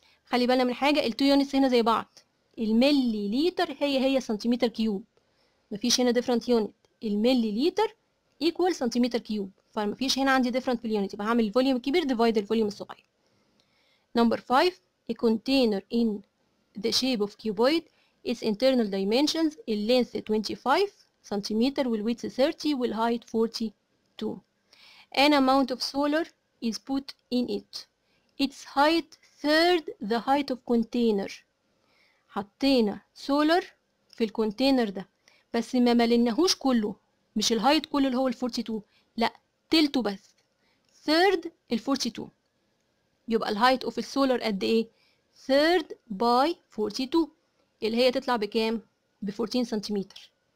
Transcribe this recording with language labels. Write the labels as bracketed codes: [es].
[ar] خلي بالنا من حاجة، ال 2 units هنا زي بعض. الملي لتر هي سنتيمتر كيوب. مفيش هنا [en] different unit. [ar] الملي لتر equal سنتيمتر كيوب. فمفيش هنا عندي different في ال unit. يبقى هعمل الفوليوم الكبير ديفايد الفوليوم الصغير. [en] Number 5. A container in the shape of cuboid. Its internal dimensions. In length 25 cm. With width 30. With height 42. An amount of solar is put in it. Its height third the height of container. [ar] حطينا solar في الكونتينر ده. بس ما ملناهوش كله. مش الهايت كله اللي هو ال 42. لا. تلته بس. [en] Third ال 42. [ar] يبقى الهايت اوف السولر قد ايه؟ 3 باي 42، اللي هي تطلع بكام؟ ب 14 سنتيمتر.